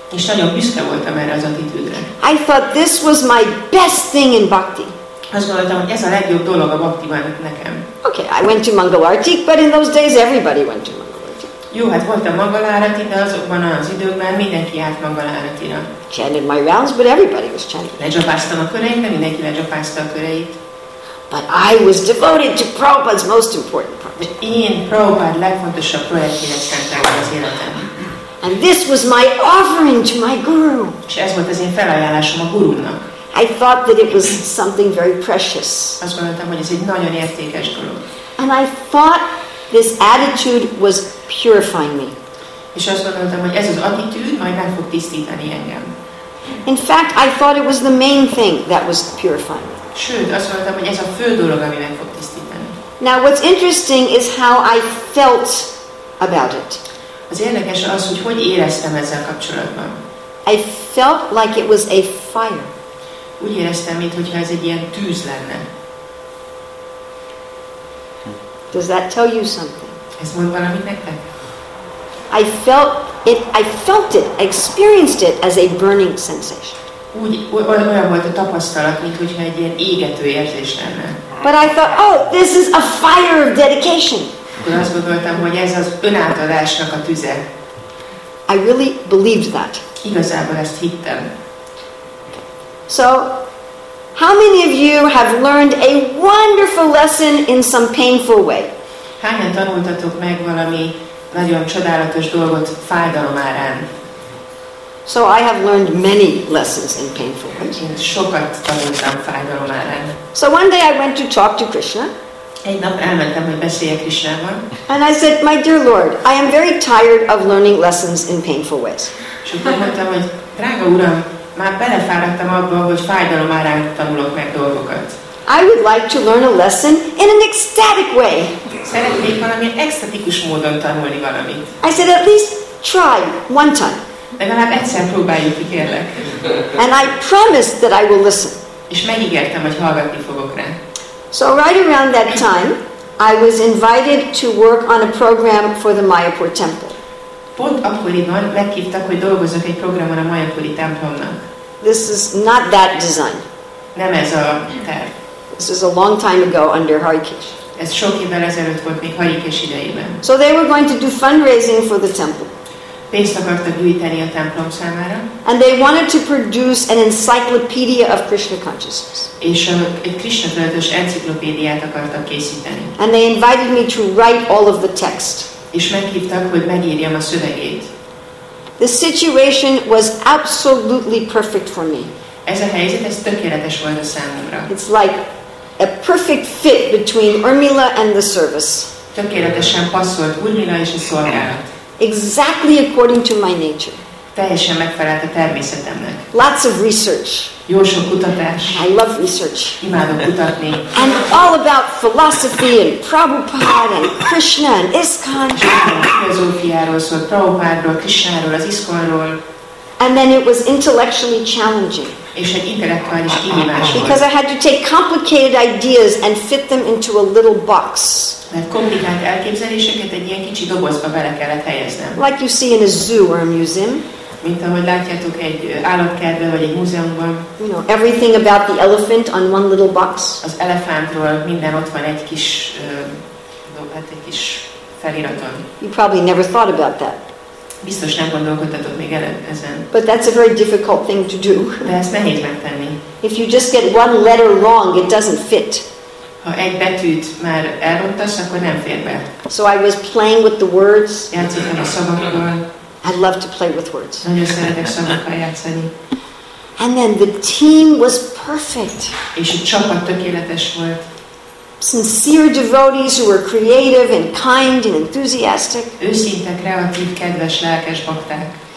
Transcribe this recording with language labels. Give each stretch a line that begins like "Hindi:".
Hungarian: És nagyon büszke voltam erre az attitűdre.
English: I thought this was my best thing in bhakti.
Hungarian: Azt gondoltam, hogy ez a legjobb dolog a bhaktiban nekem.
English: Okay, I went to Mangalarti, but in those days everybody went to Mangalarti.
Hungarian: Jó, hát voltam Mangalarti, de azokban az időkben mindenki járt Mangalartira.
English: Chanted my rounds, but everybody was chanting.
Hungarian: Lejobbáztam a köreimbe, mindenki lejobbázta a köreit.
English: But I was devoted to Prabhupada's most important project.
Hungarian: Én Prabhupada legfontosabb projektjének szenteltem az életem.
English: And this was my offering to my guru.
Hungarian: És ez volt az én felajánlásom a gurumnak.
English: I thought that it was something very precious.
Hungarian: Azt gondoltam, hogy ez egy nagyon értékes dolog.
English: And I thought this attitude was purifying me.
Hungarian: És azt gondoltam, hogy ez az attitűd majd meg fog tisztítani engem.
English: In fact, I thought it was the main thing that was purifying me.
Hungarian: Sőt, azt gondoltam, hogy ez a fő dolog, ami meg fog tisztítani.
English: Now, what's interesting is how I felt about it.
Hungarian: Az érdekes az, hogy hogy éreztem ezzel kapcsolatban.
English: I felt like it was a fire.
Hungarian: Úgy éreztem, mintha ez egy ilyen tűz lenne.
English: Does that tell you something?
Hungarian: Ez mond valamit nektek?
English: I felt it, I experienced it as a burning sensation.
Hungarian: Olyan volt a tapasztalat, mintha egy ilyen égető érzés lenne.
English: But I thought, oh, this is a fire of dedication.
Hungarian: Akkor azt gondoltam, hogy ez az önátadásnak a tüze.
English: I really believed that.
Hungarian: Igazából ezt hittem.
English: So, how many of you have learned a wonderful lesson in some painful way?
Hungarian: Hányan tanultatok meg valami nagyon csodálatos dolgot fájdalom árán?
English: So I have learned many lessons in painful ways.
Hungarian: Én sokat tanultam fájdalom árán.
English: So one day I went to talk to Krishna.
Hungarian: Egy nap elmentem, hogy beszéljek Krishnával.
English: And I said, my dear Lord, I am very tired of learning lessons in painful ways.
Hungarian: És akkor mondtam, hogy drága uram, már belefáradtam abba, hogy fájdalom árán tanulok meg dolgokat.
English: I would like to learn a lesson in an ecstatic way.
Hungarian: Szeretnék valami ecstatikus módon tanulni valamit.
English: I said, at least try one time.
Hungarian: Legalább egyszer próbáljuk ki, kérlek.
English: And I promised that I will listen.
Hungarian: És megígértem, hogy hallgatni fogok rá.
English: So right around that time, I was invited to work on a program for the Mayapur temple.
Hungarian: Pont akkoriban meghívtak, hogy dolgozzak egy programon a Mayapuri templomnak.
English: This is not that design.
Hungarian: Nem ez a terv.
English: This is a long time ago under Harikesh.
Hungarian: Ez sok évvel ezelőtt volt, még Harikesh idejében.
English: So they were going to do fundraising for the temple.
Hungarian: Pénzt akartak gyűjteni a templom számára.
English: And they wanted to produce an encyclopedia of Krishna consciousness.
Hungarian: És egy Krishna tudatos enciklopédiát akartak készíteni.
English: And they invited me to write all of the text.
Hungarian: És meghívtak, hogy megírjam a szövegét.
English: The situation was absolutely perfect for me.
Hungarian: Ez a helyzet, ez tökéletes volt a számomra.
English: It's like a perfect fit between Urmila and the service.
Hungarian: Tökéletesen passzolt Urmila és a szolgálat.
English: Exactly according to my nature.
Hungarian: Teljesen megfelelt a természetemnek.
English: Lots of research.
Hungarian: Jó sok kutatás.
English: I love research.
Hungarian: Imádom kutatni.
English: And all about philosophy and Prabhupada and Krishna and ISKCON.
Hungarian: Filozófiáról szólt, Prabhupádról, Krishnáról, az ISKCONról.
English: And then it was intellectually challenging.
Hungarian: És egy intellektuális kihívás volt.
English: Because I had to take complicated ideas and fit them into a little box.
Hungarian: Mert komplikált elképzeléseket egy ilyen kicsi dobozba bele kellett helyeznem.
English: Like you see in a zoo or a museum.
Hungarian: Mint ahogy látjátok egy állatkertben vagy egy múzeumban.
English: You know, everything about the elephant on one little box.
Hungarian: Az elefántról minden ott van egy kis egy kis feliraton.
English: You probably never thought about that.
Hungarian: Biztos nem gondolkodtatok még ezen.
English: But that's a very difficult thing to do.
Hungarian: De ezt nehéz megtenni.
English: If you just get one letter wrong, it doesn't fit.
Hungarian: Ha egy betűt már elrontasz, akkor nem fér be.
English: So I was playing with the words.
Hungarian: Játszottam a szavakkal.
English: I love to play with words.
Hungarian: Nagyon szeretek szavakkal játszani.
English: And then the team was perfect.
Hungarian: És a csapat tökéletes volt.
English: Sincere devotees who were creative and kind and enthusiastic.
Hungarian: Őszinte, kreatív, kedves, lelkes bakták.